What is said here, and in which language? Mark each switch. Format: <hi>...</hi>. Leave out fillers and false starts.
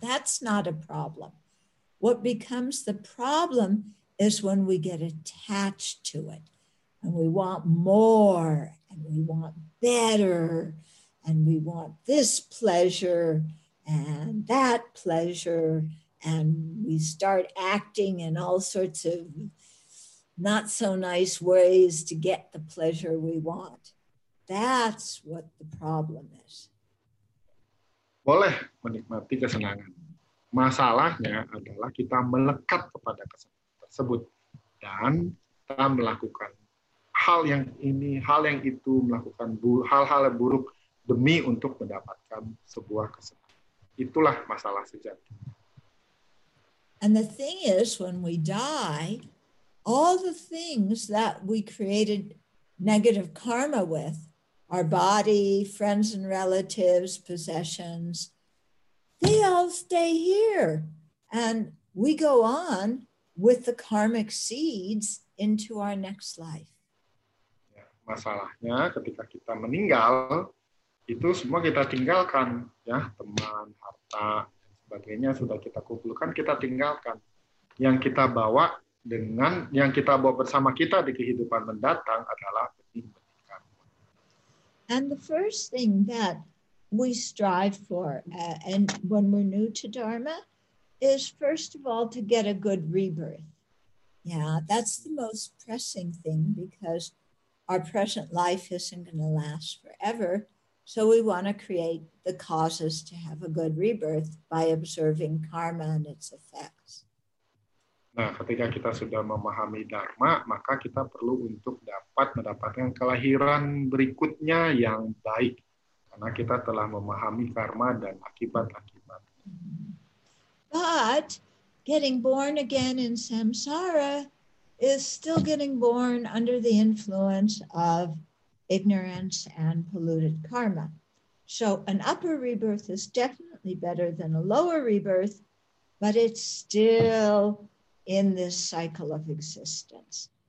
<en>That's not a problem. What becomes the problem is when we get attached to it and we want more and we want better and we want this pleasure and that pleasure and we start acting in all sorts of not so nice ways to get the pleasure we want. That's what the problem is.</en> <id>Boleh menikmati kesenangan. Masalahnya adalah kita melekat kepada kesenangan tersebut dan kita melakukan hal yang ini, hal yang itu, melakukan hal-hal yang buruk demi untuk mendapatkan sebuah kesenangan. Itulah masalah sejati.</id> <en>And the thing is, when we die, all the things that we created negative karma with, our body, friends and relatives, possessions, they all stay here. And we go on with the karmic seeds into our next life.</en> <id>Masalahnya ketika kita meninggal, itu semua kita tinggalkan. Ya, teman, harta, dan sebagainya sudah kita kumpulkan, kita tinggalkan. Yang kita bawa dengan, yang kita bawa bersama kita di kehidupan mendatang adalah</id> <en>And the first thing that we strive for, and when we're new to Dharma, is first of all to get a good rebirth. Yeah, that's the most pressing thing, because our present life isn't going to last forever. So we want to create the causes to have a good rebirth by observing karma and its effects.</en> <id>Nah, ketika kita sudah memahami dharma, maka kita perlu untuk dapat mendapatkan kelahiran berikutnya yang baik, karena kita telah memahami karma dan akibat-akibat.</id> <en>But getting born again in samsara is still getting born under the influence of ignorance and polluted karma. So an upper rebirth is definitely better than a lower rebirth, but it's still in this cycle of existence.</en>